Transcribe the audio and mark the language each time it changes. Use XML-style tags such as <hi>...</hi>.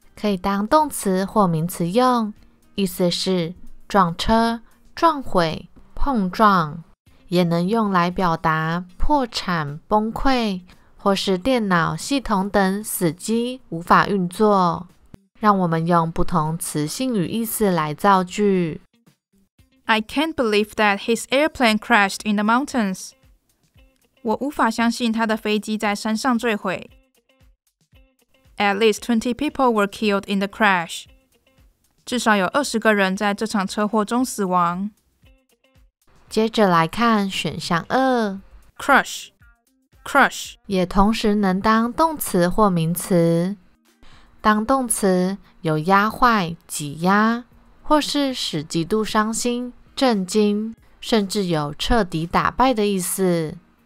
<zh>可以当动词或名词用，意思是撞车、撞毁、碰撞，也能用来表达破产、崩溃，或是电脑系统等死机无法运作。让我们用不同词性与意思来造句。</zh> <en>I can't believe that his airplane crashed in the mountains.</en> <zh>我无法相信他的飞机在山上坠毁。</zh> <en>At least 20 people were killed in the crash.</en> <zh>至少有20个人在这场车祸中死亡。接着来看选项二</zh> <en>Crush Crush</en> <zh>也同时能当动词或名词。当动词有压坏、挤压，或是使极度伤心、震惊，甚至有彻底打败的意思。</zh>